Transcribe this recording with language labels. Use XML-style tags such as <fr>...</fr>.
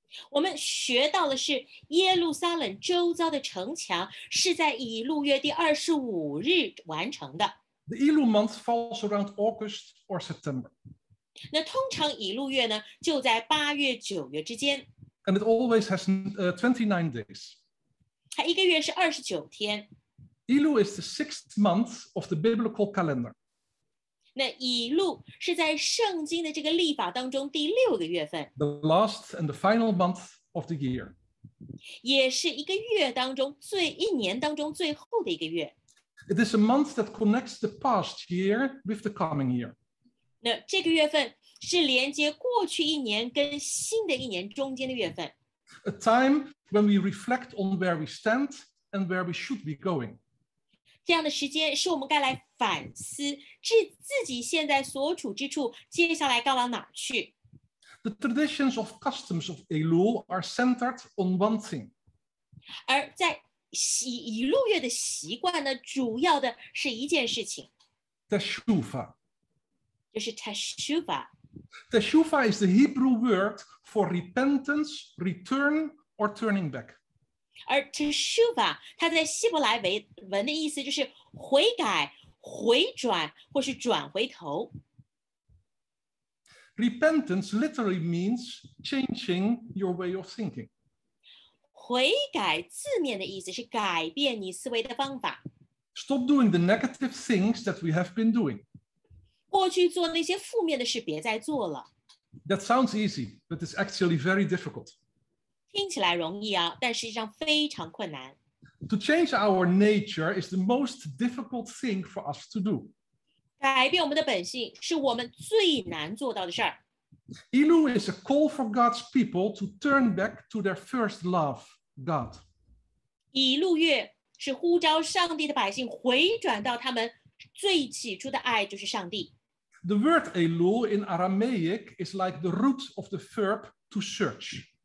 <zh>我们学到的是耶路撒冷周遭的城墙是在以路月第二十五日完成的。</zh> <en>The Elul month falls around August or September.</en> <zh>那通常以路月呢就在八月九月之间。</zh> <en>And it always has 29 days.</en> <zh>它一个月是二十九天。</zh> <en>Elul is the sixth month of the biblical calendar.</en> <zh>那以路是在圣经的这个历法当中第六个月份。</zh> <en>The last and the final month of the year.</en> <zh>也是一个月当中最一年当中最后的一个月。</zh> <en>It is a month that connects the past year with the coming year.</en> <zh>那这个月份是连接过去一年跟新的一年中间的月份。</zh> <en>A time when we reflect on where we stand and where we should be going.</en> <zh>这样的时间是我们该来反思自己现在所处之处接下来该往哪去。</zh> <en>The traditions of customs of Elul are centered on one thing.</en> <zh>而在以路月的习惯呢，主要的是一件事情。</zh> <en>Teshuva.</en> <zh>就是 Teshuva.</zh> <en>Teshuva is the Hebrew word for repentance, return, or turning back.</en> <zh>而 Teshuva, 它在希伯来文的意思就是悔改、回转或是转回头。</zh> <en>Repentance literally means changing your way of thinking.</en> <zh>悔改字面的意思是改变你思维的方法。</zh> <en>Stop doing the negative things that we have been doing.</en> <zh>过去做那些负面的事别再做了。</zh> <en>That sounds easy, but it's actually very difficult.</en> <zh>听起来容易啊，但实际上非常困难。</zh> <en>To change our nature is the most difficult thing for us to do.</en> <zh>改变我们的本性是我们最难做到的事儿。</zh> <en>Elul is a call for God's people to turn back to their first love, God.</en> <zh>以路月是呼召上帝的百姓回转到他们最起初的爱，就是上帝。</zh> <en>The word Elul in Aramaic is like the root of the verb to search.</en>